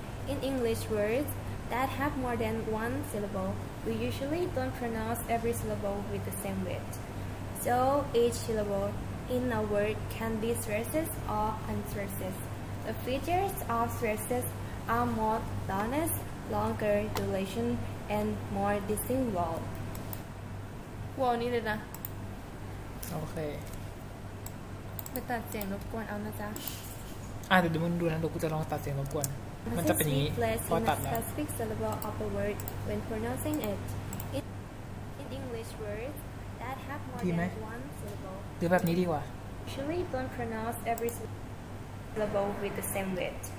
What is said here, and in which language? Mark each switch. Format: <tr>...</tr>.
<en>In English words that have more than one syllable,We usually don't pronounce every syllable with the same weight. So, each syllable in a word can be stressed or unstressed. The features of stresses are more loudness, longer duration, and more distinct vowel.</en> <th>Vowel นี่เลยนะ</th> <en>Okay.</en> <th>มาตัดเสียงรบกวนเอานะจ๊ะ เดี๋ยวมึงดูนะเดี๋ยวกูจะลองตัดเสียงรบกวนมันจะเป็นอย่างนี้พอตัดแล้ว</th> <en>specific syllable of a word when pronouncing it in English words that have more than one syllable</en> <th>หรือแบบนี้ดีกว่า</th> <en>usually don't pronounce every syllable with the same weight</en>